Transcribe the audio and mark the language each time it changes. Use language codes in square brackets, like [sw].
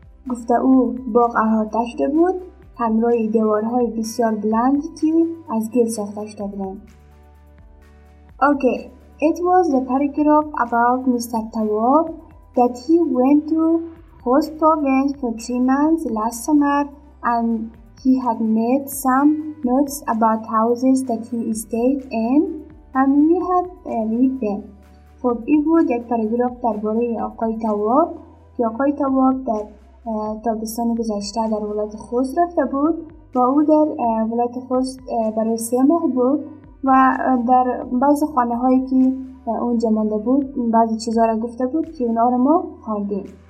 [fa] گفته او باغ احاطه شده بود همراه دیوارهای بسیار بلندی که از گل ساخته شده بودند. [en] Okay, it was the paragraph about Mr. Tawab that he went to Khost province for 3 months last summer and he had made some notes about houses that he stayed in and we had read them. [fa] خب این بود یک پاراگراف درباره آقای تواب که آقای تواب در تابستان گذشته در ولایت خوست رفته بود و او در ولایت خوست برای 3 ماه بود و در بعض خانه هایی که اونجا مانده بود بعض چیزها را گفته بود که اونها را ما خواندیم.